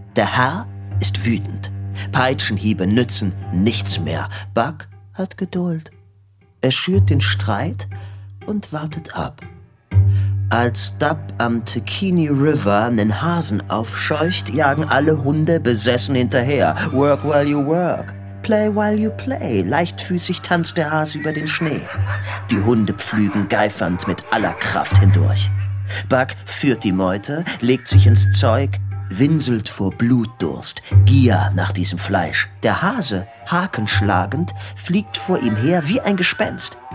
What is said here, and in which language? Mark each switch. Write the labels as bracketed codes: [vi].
[de] Der Herr ist wütend. Peitschenhiebe nützen nichts mehr. Buck hat Geduld. Er schürt den Streit und wartet ab. Als Dub am Tikini River einen Hasen aufscheucht, jagen alle Hunde besessen hinterher. [en] Work while you work, play while you play. [de] Leichtfüßig tanzt der Hase über den Schnee. Die Hunde pflügen geifernd mit aller Kraft hindurch. Buck führt die Meute, legt sich ins Zeug, winselt vor Blutdurst, Gier nach diesem Fleisch. Der Hase, hakenschlagend, fliegt vor ihm her wie ein Gespenst.